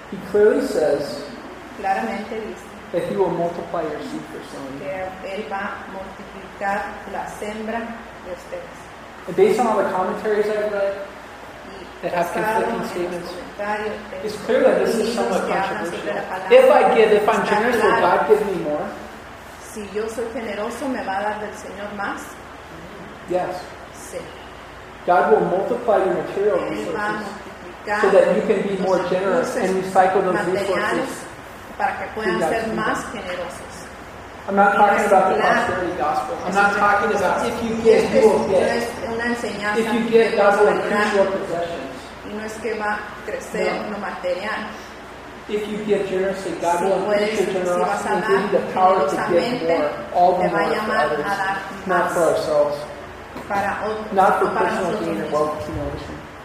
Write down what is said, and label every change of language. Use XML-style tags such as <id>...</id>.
<en>He clearly says that he will multiply your seed for sowing. And based on all the commentaries I've read that have conflicting statements, it's clear that this is somewhat controversial. If I give, if I'm generous, will God give me more?</en> <es>Si yo soy generoso, ¿me va a dar del Señor más?</es> <en>Yes.</en> <es>Sí.</es> <en>God will multiply your material resources so that you can be more generous and recycle those resources.</en> <es>Para que puedan ser más generosos.</es> <en>I'm not talking about the prosperity gospel. I'm not talking about if you give, you will get. If you give, God will increase your possessions.</en> <es>Y no es que va a crecer lo material.</es> <en>If you give generously, God will increase your generosity and give you the power to give more, all the more for others, not for ourselves, not for personal gain or wealth accumulation.</en>